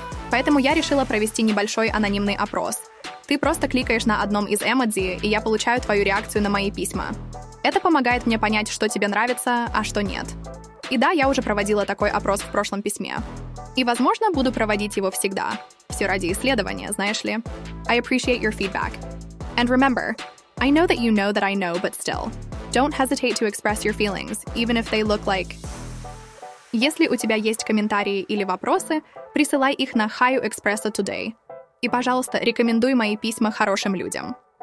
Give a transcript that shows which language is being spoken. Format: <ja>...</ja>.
<ru>Поэтому я решила провести небольшой анонимный опрос. Ты просто кликаешь на одном из эмодзи, и я получаю твою реакцию на мои письма. Это помогает мне понять, что тебе нравится, а что нет. И да, я уже проводила такой опрос в прошлом письме. И, возможно, буду проводить его всегда. Все ради исследования, знаешь ли.</ru> <en>I appreciate your feedback. And remember, I know that I know, but still. Don't hesitate to express your feelings, even if they look like...</en> <ru>Если у тебя есть комментарии или вопросы, присылай их на</ru> <en>How You Express It Today.</en> <ru>И, пожалуйста, рекомендуй мои письма хорошим людям.</ru>